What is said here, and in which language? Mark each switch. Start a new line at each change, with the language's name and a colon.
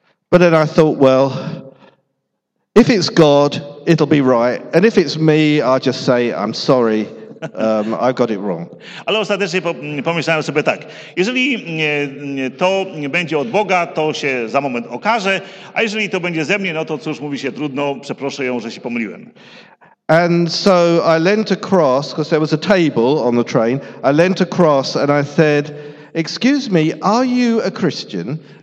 English: But then I thought, well, if it's God, it'll be right. And if it's me, I'll just say, I'm sorry, I got it wrong.
Polish: Ale ostatecznie pomyślałem sobie tak. Jeżeli to będzie od Boga, to się za moment okaże. A jeżeli to będzie ze mnie, no to cóż, mówi się, trudno, przeproszę ją, że się pomyliłem.
English: And so I leant across, because there was a table on the train. I leant across and I said, excuse me, are you a Christian?